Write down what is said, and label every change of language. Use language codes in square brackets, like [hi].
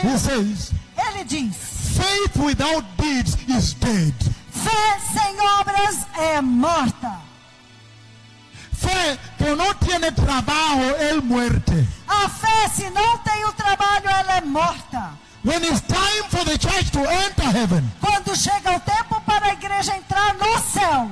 [en] He says. [pt] Ele diz. [en] Faith without deeds is dead. [pt] Fé sem obras é morta. Fé que não tem trabalho é morte. A fé se não tem o trabalho ela é morta. [en] When it's time for the church to enter heaven. [pt] Quando chega o tempo para a igreja entrar no céu.